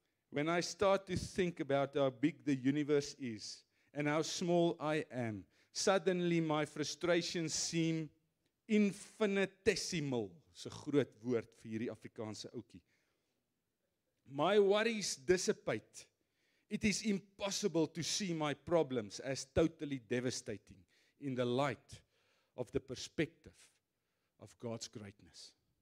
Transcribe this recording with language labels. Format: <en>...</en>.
<en>When I start to think about how big the universe is and how small I am, suddenly my frustrations seem infinitesimal. It's a</en> <af>groot woord vir hierdie Afrikaanse ouetjie.</af> <en>My worries dissipate. It is impossible to see my problems as totally devastating in the light of the perspective of God's greatness.</en>